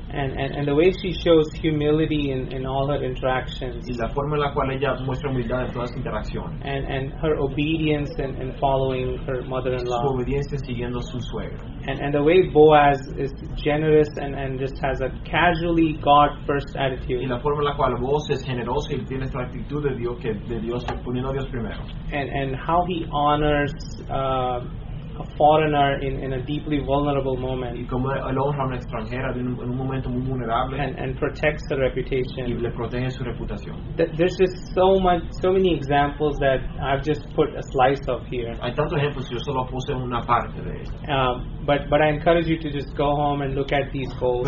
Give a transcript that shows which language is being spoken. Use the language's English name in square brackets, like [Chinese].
[English] And the way she shows humility in all her interactions. [Spanish] Y la forma en la cual ella muestra humildad en todas las interacciones. [English] And her obedience and following her mother-in-law. [Spanish] Su obediencia siguiendo su suegra. [English] And the way Boaz is generous and just has a casually God-first attitude. [Spanish] Y la forma en la cual Boaz es generoso y tiene esta actitud de Dios, que de Dios poniendo a Dios primero. [English] And how he honors a foreigner in a deeply vulnerable moment. [Spanish] Y como él honra a una extranjera en un momento muy vulnerable. [English] And protects her reputation. [Spanish] Y le protege su reputación. [English] There's just so many examples that I've just put a slice of here. [Spanish] Hay tantos ejemplos que yo solo puse una parte de esto. [English] But I encourage you to just go home and look at these goals.